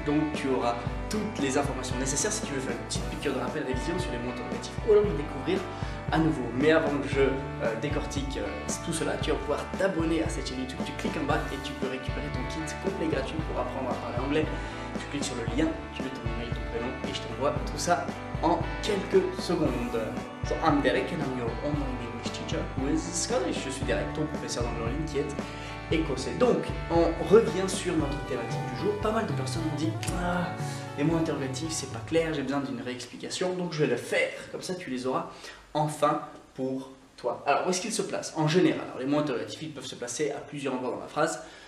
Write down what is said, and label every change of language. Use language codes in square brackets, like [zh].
[fr] Donc tu auras toutes les informations nécessaires si tu veux faire une petite piqûre de rappel révision sur les mots interrogatifs au long de découvrir à nouveau. Mais avant que je décortique tout cela, tu vas pouvoir t'abonner à cette chaîne YouTube. Tu cliques en bas et tu peux récupérer ton kit complet gratuit pour apprendre à parler anglais. Tu cliques sur le lien, tu mets ton email, ton prénom et je t'envoie tout ça en quelques secondes. [en] So I'm Derek and I'm your online English teacher who is Scottish. [fr] Je suis Derek, ton professeur d'anglais en ligne qui est écossais. Donc, on revient sur notre thématique du jour. Pas mal de personnes ont dit ah, les mots interrogatifs, c'est pas clair, j'ai besoin d'une réexplication. Donc je vais le faire, comme ça tu les auras enfin pour toi. Alors, où est-ce qu'ils se placent? En général, alors, les mots interrogatifs ils peuvent se placer à plusieurs endroits dans la phrase.